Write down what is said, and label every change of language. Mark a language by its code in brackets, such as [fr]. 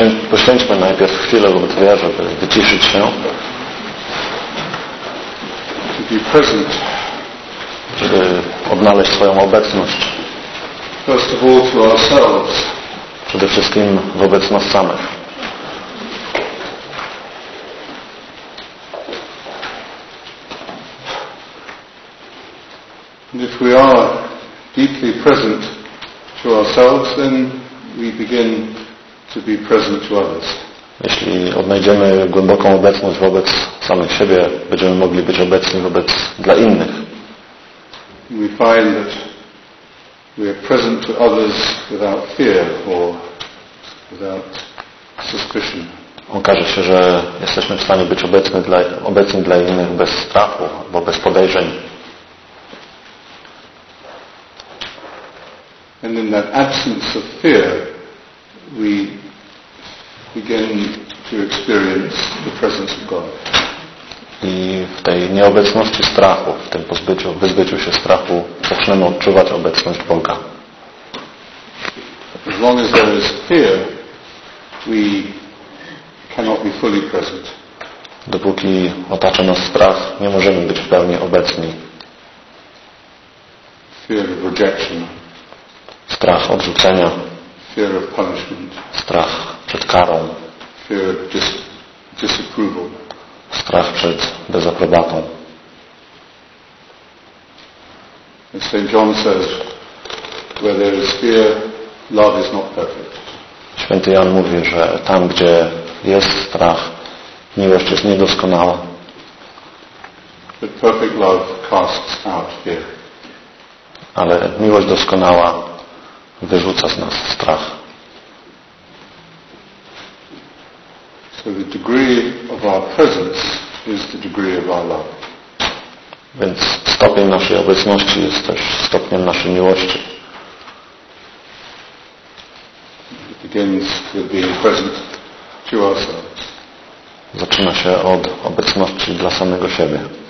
[pl] Poświęćmy najpierw chwilę w obytwie, żeby wyciszyć się. [en] To be present. [pl] Żeby odnaleźć swoją obecność. [en] First of all to ourselves. [pl] Przede wszystkim wobec nas samych. [en] And if we are deeply present to ourselves, then we begin to be present to others. [pl] Jeśli odnajdziemy głęboką obecność wobec samych siebie, będziemy mogli być obecni wobec dla innych. [en] We find that we are present to others without fear or without suspicion. [pl] Okaże się, że jesteśmy w stanie być obecni dla innych bez strachu, bo bez podejrzeń. [en] And in that absence of fear, we begin to experience the presence of God. [pl] I w tej nieobecności strachu, w tym wyzbyciu się strachu, zaczynamy odczuwać obecność Boga. [en] As long as there is fear, we cannot be fully present. [pl] Dopóki otacza nas strach, nie możemy być w pełni obecni. [en] Fear of rejection. [pl] Strach odrzucenia. [en] Fear of punishment. [pl] Strach przed karą. [en] Fear of disapproval. [pl] Strach przed dezaprobatą. [en] As St. John says, where there is fear, love is not perfect. [pl] Święty Jan mówi, że tam, gdzie jest strach, miłość jest niedoskonała. [en] But perfect love casts out fear. [pl] Ale miłość doskonała wyrzuca z nas strach. [en] So the degree of our presence is the degree of our love. [pl] Więc stopień naszej obecności jest też stopniem naszej miłości. [en] It begins with being present to ourselves. [pl] Zaczyna się od obecności dla samego siebie.